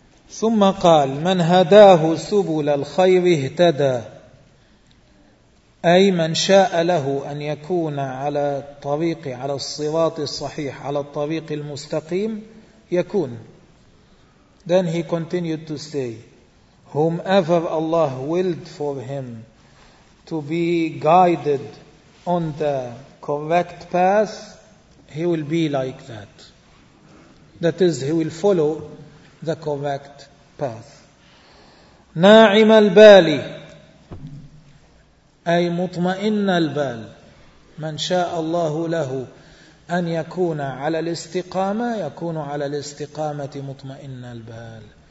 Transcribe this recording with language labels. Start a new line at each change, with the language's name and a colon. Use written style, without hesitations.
Arabic: ثم قال من هداه سبل الخير اهتدى أي من شاء له أن يكون على الطريق على الصراط الصحيح على الطريق المستقيم يكون.
English: Then he continued to say, whomever Allah willed for him to be guided on the correct path, he will be like that. That is, he will follow the correct path.
Arabic: ناعم البال أي مطمئن البال. من شاء الله له أن يكون على الاستقامة يكون على الاستقامة مطمئن البال.